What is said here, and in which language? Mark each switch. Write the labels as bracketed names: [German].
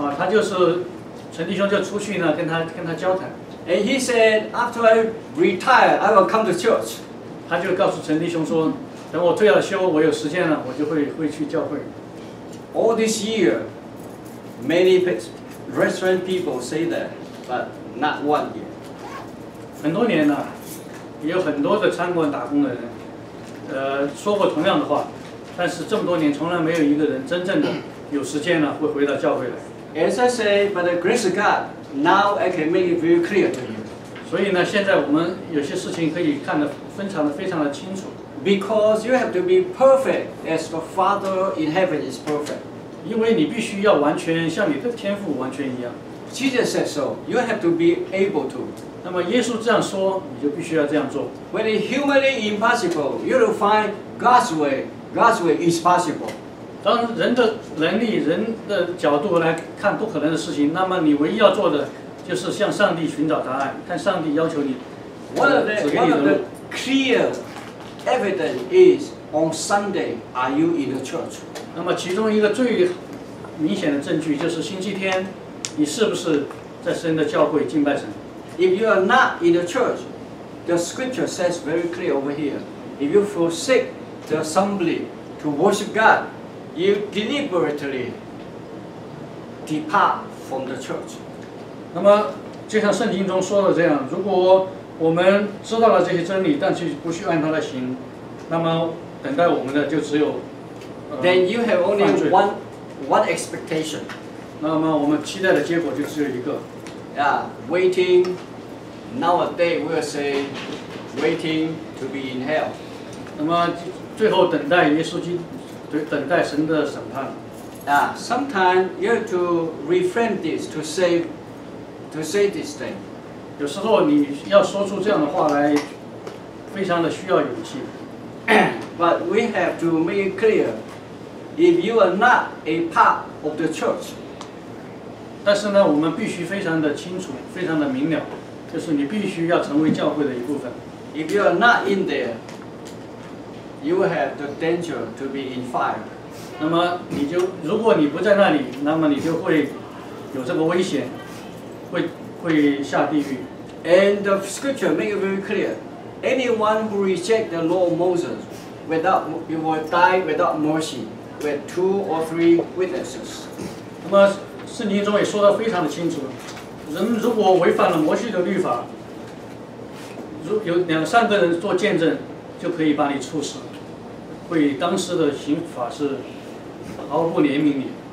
[Chinese] 啊，他就是陈弟兄就出去呢，跟他交谈。 [English] And he said, after I retire, I will come to church. [Chinese] 他就告诉陈弟兄说，等我退了休，我有时间了，我就会去教会。 [English] All this year, many restaurant people say that, but not one yet. [Chinese] 很多年了，也有很多的餐馆打工的人，说过同样的话，但是这么多年，从来没有一个人真正的有时间了，会回到教会来。 [English] As I say, by the grace of God, now I can make it very clear to you. [Chinese] 所以呢，现在我们有些事情可以看得非常的非常的清楚。 [English] Because you have to be perfect as the Father in heaven is perfect. [Chinese] 因为你必须要完全像你的天父完全一样。 [English] Jesus said so. You have to be able to. [Chinese] 那么耶稣这样说，你就必须要这样做。 [English] When it's humanly impossible, you will find God's way. God's way is possible. [Chinese] 当人的能力、人的角度来看不可能的事情，那么你唯一要做的就是向上帝寻找答案，看上帝要求你。 [English] One of the clear evidence is on Sunday, are you in the church? [Chinese] 那么其中一个最明显的证据就是星期天，你是不是在神的教会敬拜神 [English] ？If you are not in the church, the scripture says very clear over here. If you forsake the assembly to worship God. You deliberately depart from the church. [Chinese] 那么，就像圣经中说的这样，如果我们知道了这些真理，但是不去按它来行，那么等待我们的就只有 [English] Then you have only one expectation. [Chinese] 那么我们期待的结果就只有一个。 [English] Yeah, waiting. Nowadays we will say waiting to be in hell. [Chinese] 那么最后等待耶稣基督。对，等待神的审判。 [English] Ah, sometimes you have to reframe this to say this thing. [Chinese] 有时候你要说出这样的话来，非常的需要勇气。 [English] But we have to make it clear, if you are not a part of the church. [Chinese] 但是呢，我们必须非常的清楚，非常的明了，就是你必须要成为教会的一部分。 [English] If you are not in there. You have the danger to be in fire. [Chinese] 那么你就如果你不在那里，那么你就会有这个危险，会下地狱。 [English] And the scripture make it very clear: anyone who reject the law of Moses, you will die without mercy with two or three witnesses. [Chinese] 那么圣经中也说得非常的清楚，人如果违反了摩西的律法，如有两三个人做见证。就可以把你处死，会当时的刑法是毫不怜悯你。